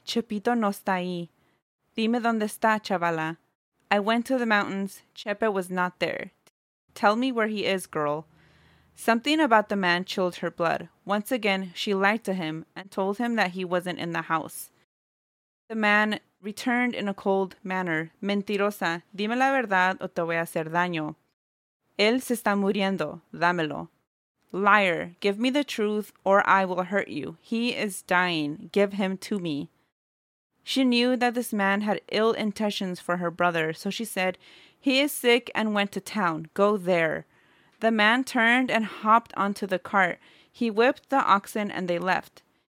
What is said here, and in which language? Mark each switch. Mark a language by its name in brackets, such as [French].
[Spanish] Chepito no está ahí. Dime dónde está, chavala. [English] I went to the mountains. Chepe was not there. Tell me where he is, girl. Something about the man chilled her blood. Once again, she lied to him and told him that he wasn't in the house. The man returned in a cold manner. [Spanish] Mentirosa, dime la verdad o te voy a hacer daño. Él se está muriendo, dámelo. [English] Liar, give me the truth or I will hurt you. He is dying, give him to me. She knew that this man had ill intentions for her brother, so she said, he is sick and went to town, go there. The man turned and hopped onto the cart. He whipped the oxen and they left.